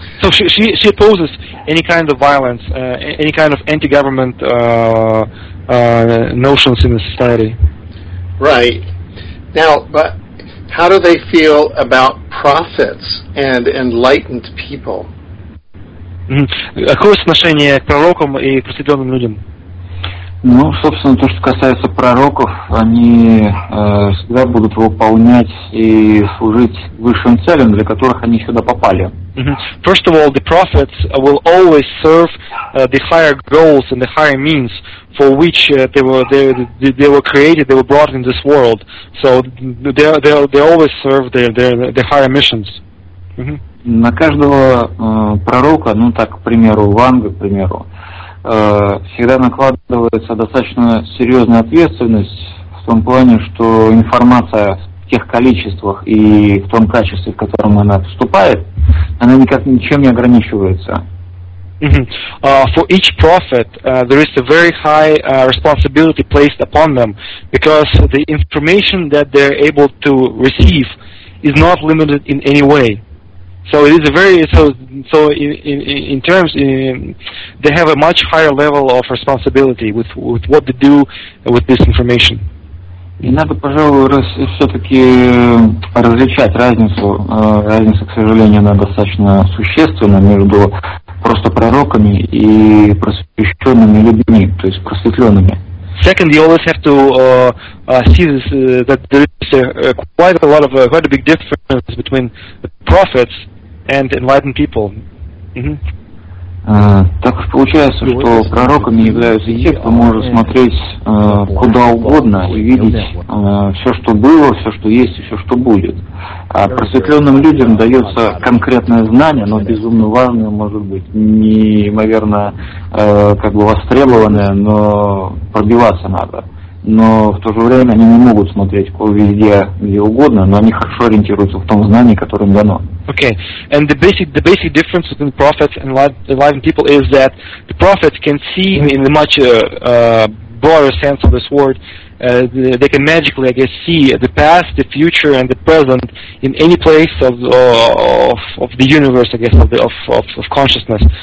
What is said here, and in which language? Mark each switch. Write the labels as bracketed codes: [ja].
[en] So she opposes any kind of violence, any kind of anti-government notions in the society. Right. Now, but how do they feel about prophets and enlightened people? [ru] Какое отношение к пророкам и просветленным людям? Ну, собственно, то, что касается пророков, они всегда будут выполнять и служить высшим целям, для которых они сюда попали. [en] First of all, the prophets will always serve the higher goals and the higher means for which they were created, they were brought in this world. So they always serve the higher missions. [ru] На каждого пророка, ну так, к примеру, Ванга, к примеру, всегда накладывается достаточно серьезная ответственность в том плане, что информация в тех количествах и в том качестве, в котором она поступает, она никак ничем не ограничивается. [en] For each prophet, there is a very high responsibility placed upon them, because the information that they're able to receive is not limited in any way. So it is a very they have a much higher level of responsibility with what they do with this information. [ru] И надо, пожалуй, все-таки различать разницу. Разница, к сожалению, она достаточно существенна между просто пророками и просвещенными людьми, то есть просветленными. [en] Second, you always have to see this, that there is quite a big difference between prophets and enlightened people. [ru] Так уж получается, что пророками являются те, кто может смотреть куда угодно и видеть все, что было, все, что есть и все, что будет. А просветленным людям дается конкретное знание, но безумно важное, может быть, неимоверно востребованное, но пробиваться надо. Но в то же время они не могут смотреть везде, где угодно, но они хорошо ориентируются в том знании, которое им дано. [en] Okay, and the basic difference between prophets and enlightened people is that the prophets can see in a much broader sense of this word. They can magically, I guess, see the past, the future, and the present in any place of the universe, I guess, of consciousness.